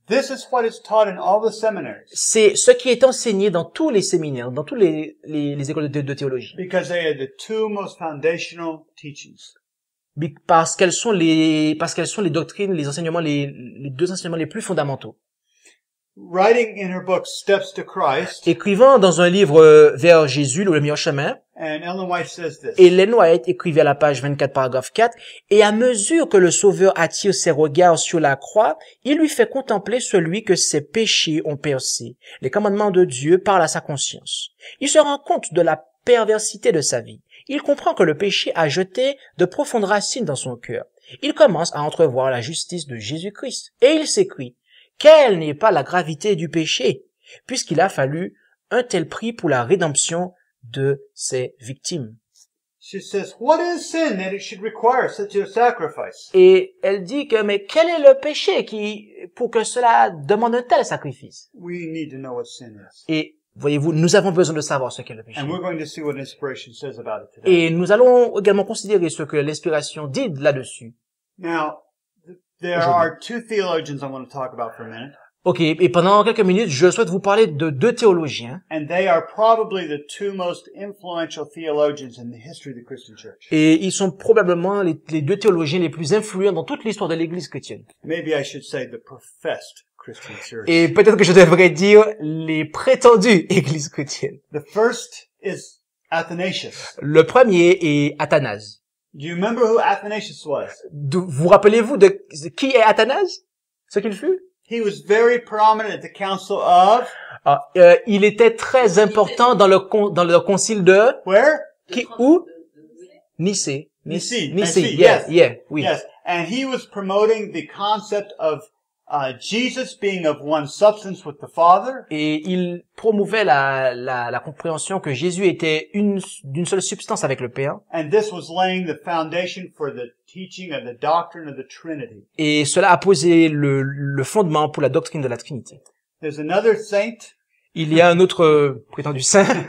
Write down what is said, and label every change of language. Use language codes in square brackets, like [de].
[en] This is what is taught in all the seminaries. [fr] C'est ce qui est enseigné dans tous les séminaires, dans tous les écoles de théologie. [en] Because they are the two most foundational teachings. [fr] Parce qu'elles sont les doctrines, les enseignements, les deux enseignements les plus fondamentaux. [en] Writing in her book Steps to Christ, [fr] écrivant dans un livre Vers Jésus, le meilleur chemin, [en] and Ellen White says this. [fr] Ellen White écrivait à la page 24, paragraphe 4, et à mesure que le Sauveur attire ses regards sur la croix, il lui fait contempler celui que ses péchés ont percé. Les commandements de Dieu parlent à sa conscience. Il se rend compte de la perversité de sa vie. Il comprend que le péché a jeté de profondes racines dans son cœur. Il commence à entrevoir la justice de Jésus-Christ. Et il s'écrie, quelle n'est pas la gravité du péché, puisqu'il a fallu un tel prix pour la rédemption de ses victimes. [en] She says, what is sin that it should require such a sacrifice? [fr] Et elle dit que, mais quel est le péché pour que cela demande un tel sacrifice? [en] We need to know what sin is. [fr] Et voyez-vous, nous avons besoin de savoir ce qu'est le péché. [en] And we're going to see what inspiration says about it today. [fr] Et nous allons également considérer ce que l'inspiration dit là-dessus. [en] Now, there are two theologians I want to talk about for a minute. [fr] OK, et pendant quelques minutes, je souhaite vous parler de deux théologiens. [en] And they are probably the two most influential theologians in the history of the Christian Church. [fr] Et ils sont probablement les deux théologiens les plus influents dans toute l'histoire de l'Église chrétienne. [en] Maybe I should say the professed Christian Church. [fr] Et peut-être que je devrais dire les prétendues Églises chrétiennes. [en] The first is Athanasius. [fr] Le premier est Athanase. [en] Do you remember who Athanasius was? [fr] Vous rappelez-vous de qui est Athanase? Ce qu'il fut? [en] He was very prominent at the council of. [fr] Il était très important dans le concile de. [en] Where? [fr] Qui? Où? Nicée. [en] Yes. Yes. And he was promoting the concept of Jesus being of one substance with the Father. [fr] Et il promouvait la compréhension que Jésus était d'une seule substance avec le Père. [en] And this was laying the foundation for the teaching of the doctrine of the Trinity. [fr] Et cela a posé le fondement pour la doctrine de la Trinité. [en] There's another saint. [fr] Il y a un autre prétendu saint.